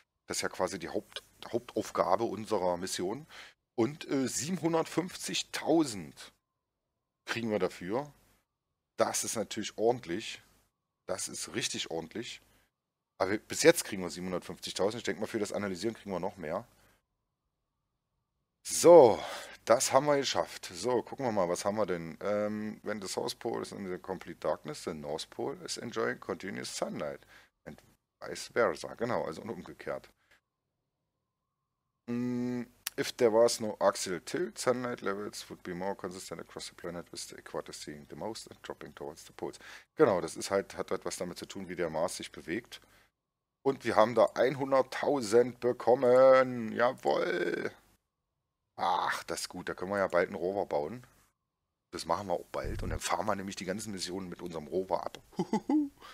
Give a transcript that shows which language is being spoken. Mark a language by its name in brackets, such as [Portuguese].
[German] Das ist ja quasi die Hauptaufgabe unserer Mission. Und 750.000 kriegen wir dafür. Das ist natürlich ordentlich. Das ist richtig ordentlich. Aber bis jetzt kriegen wir 750.000. Ich denke mal, für das Analysieren kriegen wir noch mehr. So, das haben wir geschafft. So, gucken wir mal, was haben wir denn? [English] When the South Pole is in the complete darkness, the North Pole is enjoying continuous sunlight. And vice versa. [German] Genau, also umgekehrt. [English] If there was no axial tilt, sunlight levels would be more consistent across the planet with the equator seeing the most and dropping towards the poles. [German] Genau, das ist halt, hat etwas damit zu tun, wie der Mars sich bewegt. Und wir haben da 100.000 bekommen. Jawohl. Ach, das ist gut. Da können wir ja bald einen Rover bauen. Das machen wir auch bald. Und dann fahren wir nämlich die ganzen Missionen mit unserem Rover ab. Huhuhu.